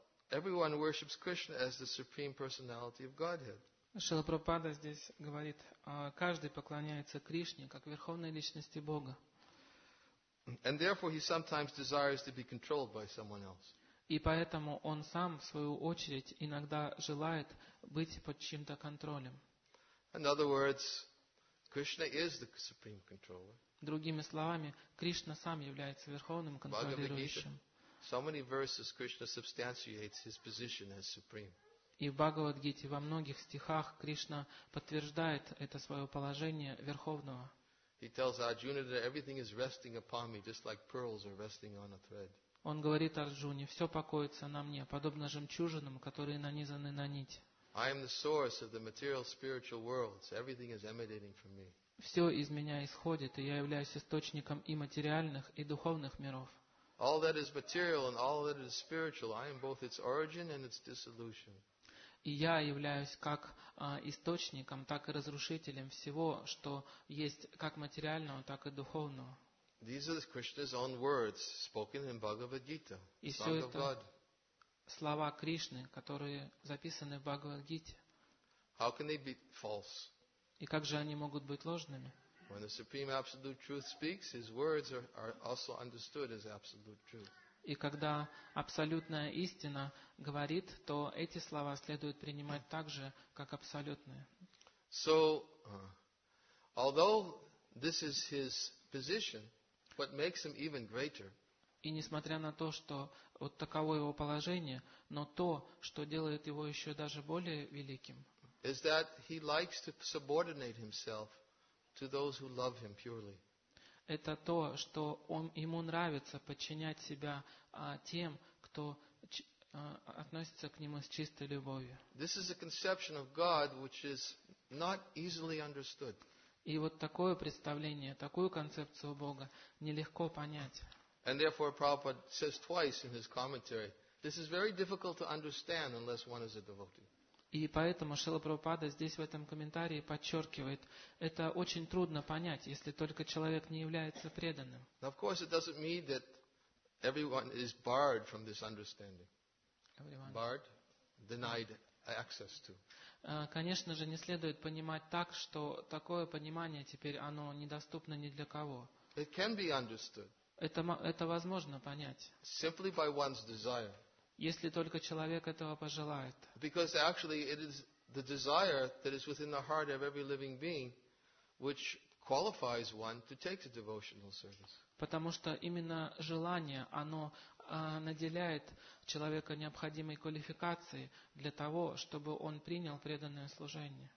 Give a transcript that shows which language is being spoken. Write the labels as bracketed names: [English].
[English] Everyone worships Krishna as the supreme personality of Godhead. [Russian] Шрила Прабхупада здесь говорит, каждый поклоняется Кришне как верховной личности Бога. [English] And therefore he sometimes desires to be controlled by someone else. [Russian] И поэтому он сам в свою очередь иногда желает быть под чьим-то контролем. [English] In other words, Krishna is the supreme controller. [Russian] Другими словами, Кришна сам является верховным контролирующим. [English] So many verses Krishna substantiates his position as supreme. [Russian] И в Бхагавад-гите во многих стихах Кришна подтверждает это свое положение верховного. [English] He tells Arjuna that everything is resting upon me, just like pearls are resting on a thread. [Russian] Он говорит Арджуне, все покоится на мне, подобно жемчужинам, которые нанизаны на нить. [English] I am the source of the material spiritual worlds. Everything is emanating from me. [Russian] Все из меня исходит, и я являюсь источником и материальных, и духовных миров. [English] All that is material and all that is spiritual, I am both its origin and its dissolution. [Russian] И я являюсь как источником, так и разрушителем всего, что есть как материального, так и духовного. [English] These are Krishna's own words, spoken in Bhagavad Gita, Song of God. [Russian] Слова Кришны, которые записаны в Бхагавад Гите. [English] How can they be false? [Russian] И как же они могут быть ложными? [English] When the Supreme Absolute Truth speaks, His words are also understood as Absolute Truth. [Russian] И когда абсолютная истина говорит, то эти слова следует принимать так же, как абсолютные. [English] So, although this is His position, what makes Him even greater? [Russian] И несмотря на то, что вот таково Его положение, но то, что делает Его еще даже более великим, [English] is that he likes to subordinate himself to those who love him purely. [Russian] Это то, что он ему нравится подчинять себя тем, кто относится к нему с чистой любовью. [English] This is a conception of God which is not easily understood. [Russian] И вот такое представление, такую концепцию Бога нелегко понять. [English] And therefore Prabhupada says twice in his commentary, this is very difficult to understand unless one is a devotee. [Russian] И поэтому Шрила Прабхупада здесь в этом комментарии подчеркивает, это очень трудно понять, если только человек не является преданным. [English] Now, of course, it doesn't mean that everyone is barred from this understanding. Everyone. Barred? Denied access to. [Russian] Конечно же, не следует понимать так, что такое понимание теперь, оно недоступно ни для кого. [English] It can be understood. [Russian] Это возможно понять. [English] Simply by one's desire. [Russian] Если только человек этого пожелает. [English] Because actually it is the desire that is within the heart of every living being which qualifies one to take the devotional service. [Russian] Потому что именно желание, оно наделяет человека необходимой квалификацией для того, чтобы он принял преданное служение.